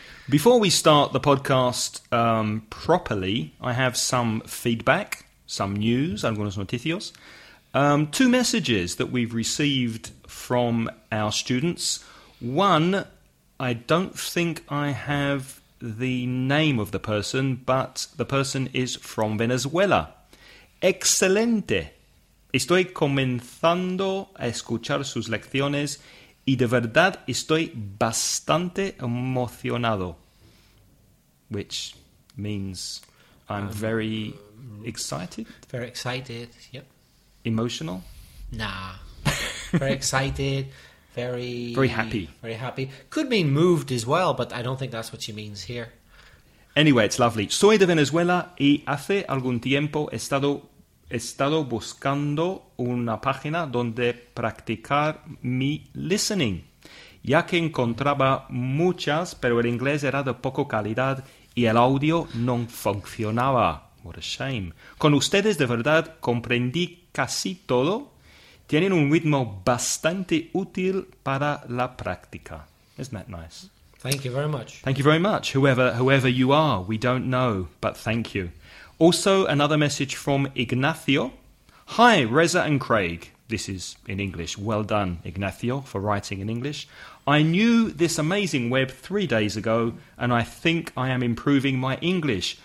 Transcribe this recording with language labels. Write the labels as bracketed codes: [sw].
[en] Before we start the podcast properly, I have some feedback, some news, [es] algunos noticios. [en] Two messages that we've received from our students. One, I don't think I have the name of the person, but the person is from Venezuela. [es] Excelente. Estoy comenzando a escuchar sus lecciones y de verdad estoy bastante emocionado. [en] Which means I'm very excited. Very excited, yep. Emotional? Nah. Very excited, very... Very happy. Very happy. Could mean moved as well, but I don't think that's what she means here. Anyway, it's lovely. [es] Soy de Venezuela y hace algún tiempo he estado buscando una página donde practicar mi listening, ya que encontraba muchas, pero el inglés era de poca calidad y el audio no funcionaba. [en] What a shame. [es] Con ustedes, de verdad, comprendí casi todo. Tienen un ritmo bastante útil para la práctica. [en] Isn't that nice? Thank you very much. Thank you very much. Whoever you are, we don't know, but thank you. Also, another message from Ignacio. Hi, Reza and Craig. This is in English. Well done, Ignacio, for writing in English. I knew this amazing web 3 days ago, and I think I am improving my English.